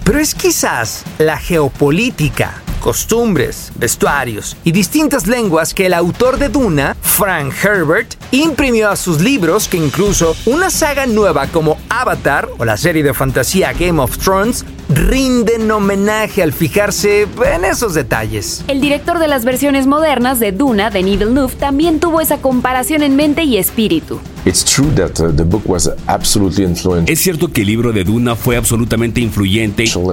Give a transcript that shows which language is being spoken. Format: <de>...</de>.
<es>Pero es quizás la geopolítica, costumbres, vestuarios y distintas lenguas que el autor de Duna, Frank Herbert, imprimió a sus libros que incluso una saga nueva como Avatar o la serie de fantasía Game of Thrones rinden homenaje al fijarse en esos detalles. El director de las versiones modernas de Duna, Denis Villeneuve, también tuvo esa comparación en mente y espíritu.</es> <en>It's true that the book was absolutely influential.</en> <es>Es cierto que el libro de Duna fue absolutamente influyente.</es>